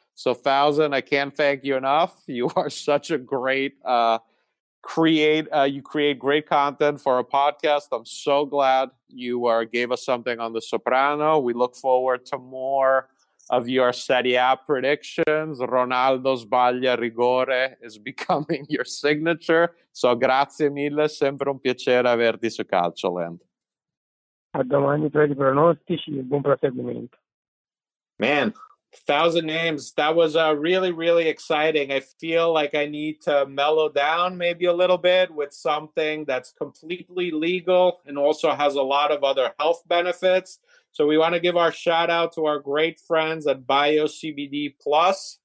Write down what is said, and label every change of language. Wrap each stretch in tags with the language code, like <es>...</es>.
<en>So 1000, I can't thank you enough. You are such a great you create great content for a podcast. I'm so glad you gave us something on The Soprano. We look forward to more of your Serie A predictions.</en> <it>Ronaldo sbaglia rigore</it> <en>is becoming your signature.</en> <it>So grazie mille, sempre un piacere averti su Calcioland. A domani per i pronostici e buon proseguimento.</it> <en>Man, 1000 names. That was really, really exciting. I feel like I need to mellow down maybe a little bit with something that's completely legal and also has a lot of other health benefits. So we want to give our shout out to our great friends at BioCBD Plus.</en>